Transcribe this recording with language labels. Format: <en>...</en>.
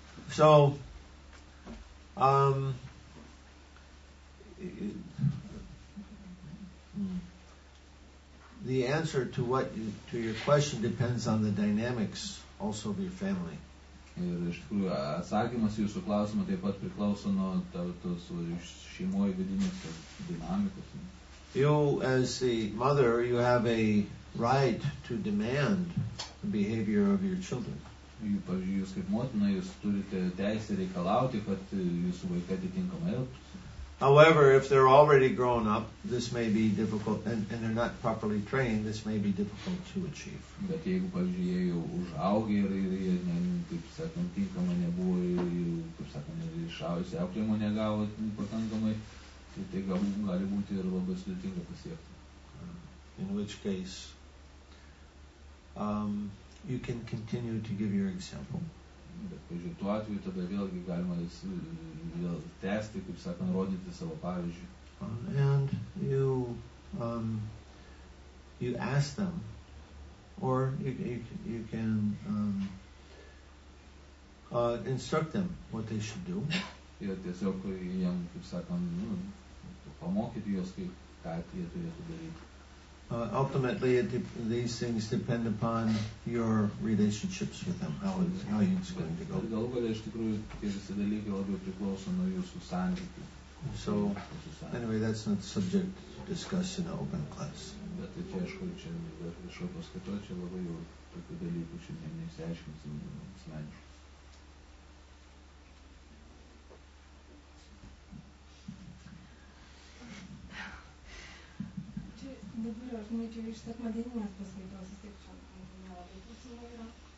<en>So, the answer to what you, to your question depends on the dynamics also of your family.</en> <lt>Ir iš tikrųjų atsakymas jūsų klausimą taip pat priklauso nuo tos šeimoje vidinės dinamikos.</lt> <en>You as the mother, you have a right to demand the behavior of your children.</en> <lt>Jūs kaip motina, jūs turite teisę reikalauti, kad jūsų vaikai atitinkamai elgtųsi.</lt> <en>However, if they're already grown up, this may be difficult, and they're not properly trained, this may be difficult to achieve.</en> <lt>Bet jeigu, pavyzdžiui, jie jau užaugė ir jie, kaip sakant, tinkama nebuvo, kaip sakant, išaugusi auklėjimo negavo pakankamai, tai gali būti ir labai sudėtinga pasiekti.</lt> <en>In which case, you can continue to give your example.</en> <lt>Bet, pavyzdžiui, tuo atveju tada vėlgi galima vėl tęsti, kaip sakant, rodyti savo pavyzdžių.</lt> <en>And you ask them, or you can instruct them what they should do.</en> <lt>Ir tiesiog jiem, kaip sakant, pamokyti juos, kaip ką jie turėtų daryti.</lt> <en>Ultimately, these things depend upon your relationships with them, how it's going to go.</en> <lt>Galų gale, iš tikrųjų, tie visi dalykai labiau priklauso nuo jūsų santykių.</lt> <en>So, anyway, that's not the subject to discuss in an open class.</en> <lt>Bet tai čia, aišku, čia iš paskaitos, čia labai jau tokių dalykų šiandien neįsiaiškinsim asmeniškai. Dabar aš nuėčiau iš sekmadieninės paskaitos, jis tik čia nelabai prasimo yra.</lt>